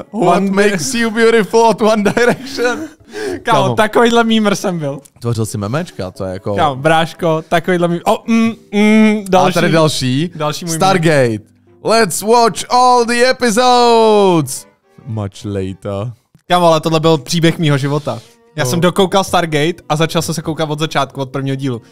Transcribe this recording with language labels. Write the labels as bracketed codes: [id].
[en] What makes you beautiful at One Direction? [cs] Kámo, takovýhle mýmr jsem byl. Tvořil si memečka, to je jako... Kámo, bráško, takovýhle mýmr... Další. A tady další. Další můj Stargate. Mýmr. [en] Let's watch all the episodes! Much later. [cs] Kámo, ale tohle byl příběh mýho života. Já jsem dokoukal Stargate a začal jsem se koukat od začátku, od prvního dílu.